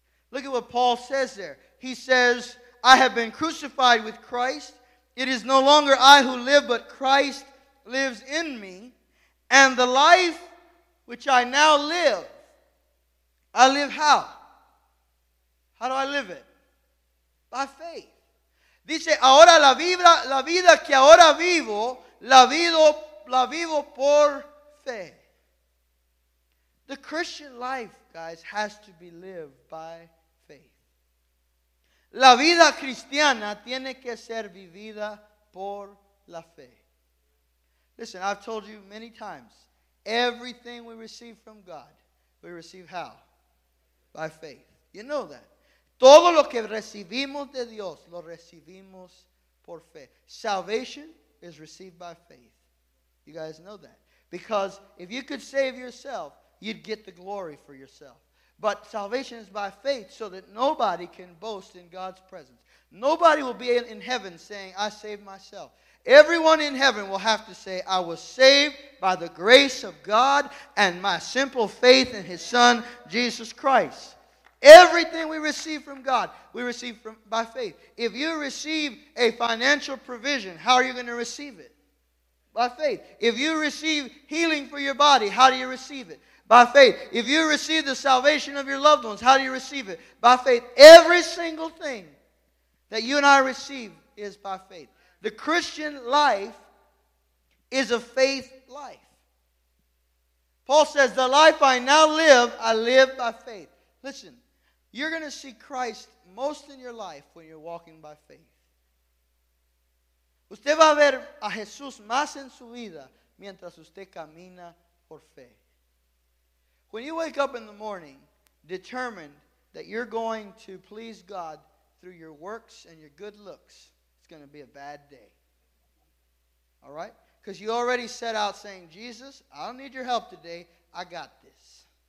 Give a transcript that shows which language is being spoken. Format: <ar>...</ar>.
<en>Look at what Paul says there. He says, I have been crucified with Christ. It is no longer I who live, but Christ lives in me. And the life which I now live, I live how? How do I live it? By faith.</en> <es>Dice, ahora la vida que ahora vivo, la vivo por fe.</es> <en>The Christian life, guys, has to be lived by faith.</en> <es>La vida cristiana tiene que ser vivida por la fe.</es> <en>Listen, I've told you many times, everything we receive from God, we receive how? By faith. You know that.</en> <es>Todo lo que recibimos de Dios, lo recibimos por fe.</es> <en>Salvation is received by faith. You guys know that. Because if you could save yourself, you'd get the glory for yourself. But salvation is by faith so that nobody can boast in God's presence. Nobody will be in heaven saying, I saved myself. Everyone in heaven will have to say, I was saved by the grace of God and my simple faith in His Son, Jesus Christ. Everything we receive from God, we receive from by faith. If you receive a financial provision, how are you going to receive it? By faith. If you receive healing for your body, how do you receive it? By faith. If you receive the salvation of your loved ones, how do you receive it? By faith. Every single thing that you and I receive is by faith. The Christian life is a faith life. Paul says, the life I now live, I live by faith. Listen. You're going to see Christ most in your life when you're walking by faith.</en> <es>Usted va a ver a Jesús más en su vida mientras usted camina por fe.</es> <en>When you wake up in the morning determined that you're going to please God through your works and your good looks, it's going to be a bad day. All right? Because you already set out saying, Jesus, I don't need your help today. I got this.</en>